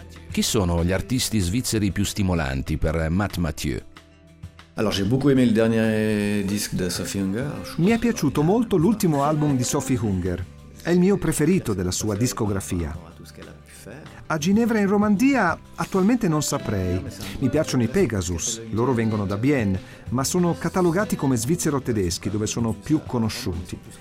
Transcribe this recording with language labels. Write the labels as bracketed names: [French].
[Italian] Chi sono gli artisti svizzeri più stimolanti per Matt Mathieu? [French] Alors j'ai beaucoup aimé le dernier disque de Sophie Hunger. [Italian] Mi è piaciuto molto l'ultimo album di Sophie Hunger. È il mio preferito della sua discografia. A Ginevra in Romandia attualmente non saprei. Mi piacciono i Pegasus, loro vengono da Bienne, ma sono catalogati come svizzero-tedeschi, dove sono più conosciuti.